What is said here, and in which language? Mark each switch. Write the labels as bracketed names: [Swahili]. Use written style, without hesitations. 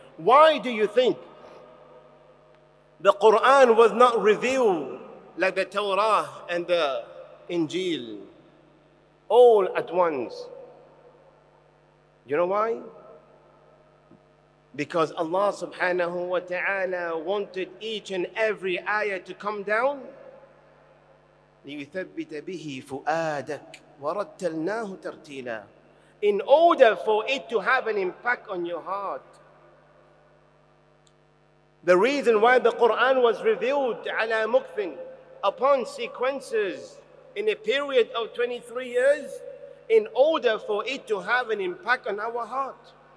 [English] Why do you think the Qur'an was not revealed like the Torah and the Injil all at once? You know why? Because Allah subhanahu wa ta'ala wanted each and every ayah to come down. [Arabic] لِيُثَبِّتَ بِهِ فُؤَادَكَ وَرَتَّلْنَاهُ تَرْتِيلًا. [English] In order for it to have an impact on your heart. The reason why the Qur'an was revealed [Arabic] عَلَى مُكْفٍ [English] upon sequences in a period of 23 years, in order for it to have an impact on our heart.